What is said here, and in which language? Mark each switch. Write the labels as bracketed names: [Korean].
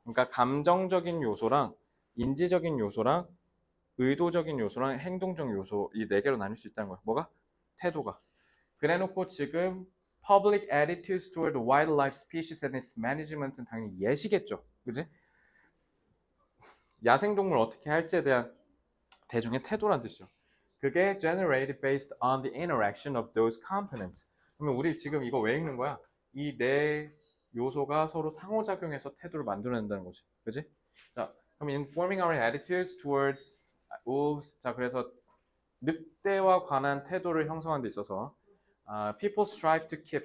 [Korean] 그러니까 감정적인 요소랑 인지적인 요소랑 의도적인 요소랑 행동적인 요소 이 네 개로 나눌 수 있다는 거야. 뭐가? 태도가. 그래놓고 지금 [English] public attitudes toward wildlife species and its management [Korean] 은 당연히 예시겠죠. 그지? 야생동물 어떻게 할지에 대한 대중의 태도란 뜻이죠. 그게 [English] generated based on the interaction of those components. [Korean] 그러면 우리 지금 이거 왜 읽는 거야? 이 네 요소가 서로 상호작용해서 태도를 만들어낸다는 거지. 그지? 자, 그럼 [English] informing our attitudes towards wolves. [Korean] 자, 그래서 늑대와 관한 태도를 형성한 데 있어서 [English] people strive to keep.